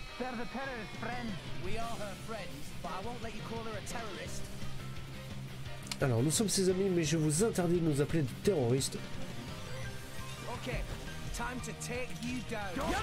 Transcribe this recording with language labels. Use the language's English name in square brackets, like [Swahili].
[English] They're the terrorist friends. We are her friends, but I won't let you call her a terrorist. [French] Alors, nous sommes ses amis, mais je vous interdis de nous appeler des terroristes. [English] Okay, time to take you down.